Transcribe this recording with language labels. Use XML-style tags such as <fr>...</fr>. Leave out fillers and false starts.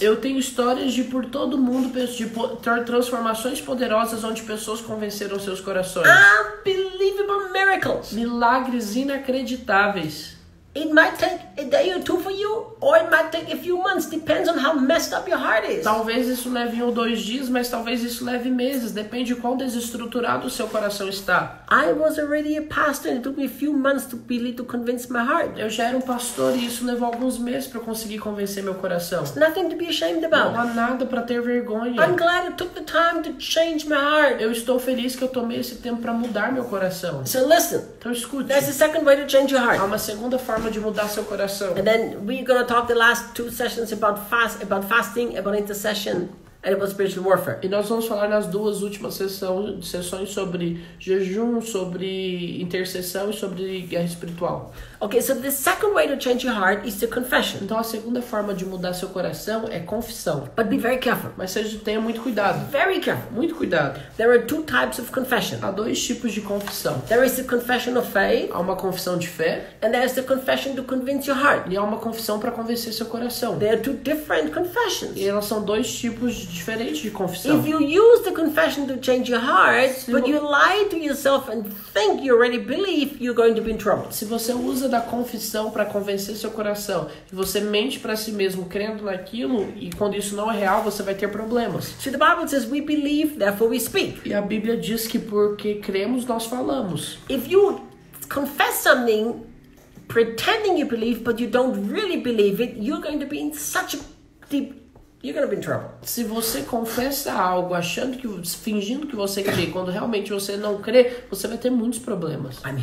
<pt>Eu tenho histórias de por todo mundo, de transformações poderosas onde pessoas convenceram seus corações.</pt> <en>Unbelievable miracles.</en> <pt>Milagres inacreditáveis.</pt> <en>It might take a day or two for you, or it might take a few months, depends on how messed up your heart is.</en> <pt>Talvez isso leve 1 ou 2 dias, mas talvez isso leve meses, depende de quão desestruturado o seu coração está.</pt> <en>I was already a pastor and it took me a few months to believe to convince my heart.</en> <pt>Eu já era um pastor e isso levou alguns meses para conseguir convencer meu coração.</pt> <en>It's nothing to be ashamed about.</en> <pt>Não há nada para ter vergonha.</pt> <en>I'm glad I took the time to change my heart.</en> <pt>Eu estou feliz que eu tomei esse tempo para mudar meu coração.</pt> <en>So listen.</en> <pt>Então escute.</pt> <en>There's a second way to change your heart.</en> <pt>Há uma segunda forma de mudar seu coração.</pt> <en>And then we're going to talk the last 2 sessions about fasting, about intercession. And about spiritual warfare.</en> <pt>E nós vamos falar nas 2 últimas sessões sobre jejum, sobre intercessão e sobre guerra espiritual.</pt> <en>Okay, so the second way to change your heart is the confession.</en> <pt>Então a segunda forma de mudar seu coração é confissão.</pt> <en>But be very careful.</en> <pt>Mas seja, tenha muito cuidado.</pt> <en>Very careful.</en> <pt>Muito cuidado.</pt> <en>There are 2 types of confession.</en> <pt>Há 2 tipos de confissão.</pt> <en>There is the confession of faith.</en> <pt>Há uma confissão de fé.</pt> <en>And there is the confession to convince your heart.</en> <pt>E há uma confissão para convencer seu coração.</pt> <en>There are 2 different confessions.</en> <pt>E elas são 2 tipos diferente de confissão.</pt> <en>If you use the confession to change your heart, but you lie to yourself and think you already believe, you're going to be in trouble.</en> <pt>Se você usa da confissão para convencer seu coração, e você mente para si mesmo crendo naquilo, e quando isso não é real, você vai ter problemas.</pt> <en>So the Bible says we believe, therefore we speak.</en> <pt>E a Bíblia diz que porque cremos, nós falamos.</pt> <en>If you confess something pretending you believe, but you don't really believe it, you're going to be in such a deep, you're going to be in trouble.</en> <pt>Se você confessa algo achando que, fingindo que você crê, quando realmente você não crê, você vai ter muitos problemas.</pt>